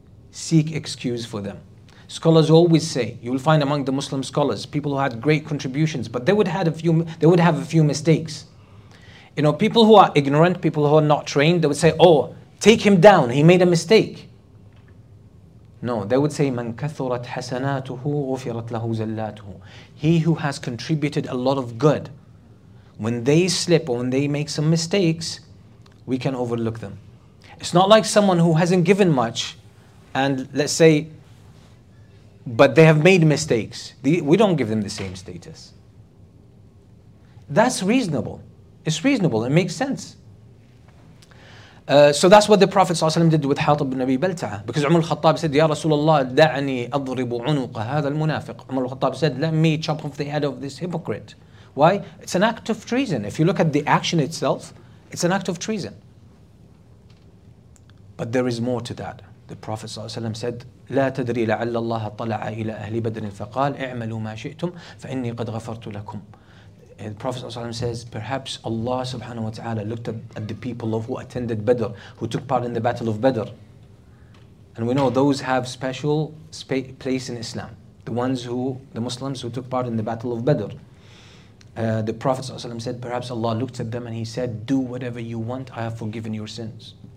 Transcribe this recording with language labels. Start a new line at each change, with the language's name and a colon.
English: Seek excuse for them. Scholars always say, you will find among the Muslim scholars, people who had great contributions, but they would have a few mistakes. You know, people who are ignorant, people who are not trained, they would say, oh, take him down, he made a mistake. No, they would say,
Arabic: مَنْ كَثُرَتْ حَسَنَاتُهُ غُفِرَتْ لَهُ زَلَّاتُهُ.
English: He who has contributed a lot of good, when they slip or when they make some mistakes, we can overlook them. It's not like someone who hasn't given much, and let's say, but they have made mistakes. We don't give them the same status. That's reasonable. It's reasonable, it makes sense. So that's what the Prophet ﷺ did with Hatib ibn Abi Balta'ah. Because Umar al-Khattab said,
Arabic: Ya Rasulullah, da'ani adribu unuqa hadha al-munafiq.
English: Umar al-Khattab said, let me chop off the head of this hypocrite. Why? It's an act of treason. If you look at the action itself, it's an act of treason. But there is more to that. The Prophet ﷺ said,
Arabic: لا تدري لعل الله طلع إلى أهل بدر فقال اعملوا ما شئتم فإني قد غفرت لكم.
English: And the Prophet ﷺ says, perhaps Allah subhanahu wa ta'ala looked at the people of who attended Badr, who took part in the battle of Badr. And we know those have special place in Islam. The Muslims who took part in the battle of Badr. The Prophet ﷺ said, perhaps Allah looked at them and he said, do whatever you want, I have forgiven your sins.